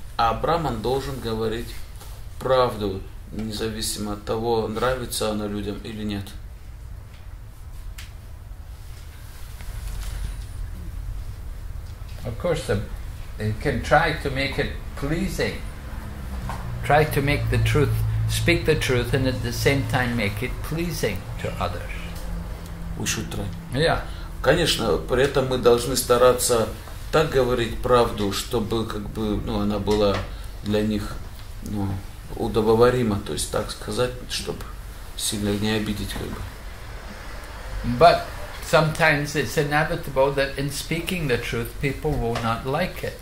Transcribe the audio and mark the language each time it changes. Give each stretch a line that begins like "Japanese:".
Russian: А браман должен говорить правду, независимо от того, нравится она людям или нет.
English: Of course, they can try to make it pleasing. Try to make the truth, speak the truth, and at the same time make it pleasing to others. We should try. Yeah.
Russian: Конечно, при этом мы должны стараться так говорить правду, чтобы она была для них удобоварима, то есть так сказать, чтобы сильно не обидеть как бы.
English: But sometimes it's inevitable that in speaking the truth, people will not like it.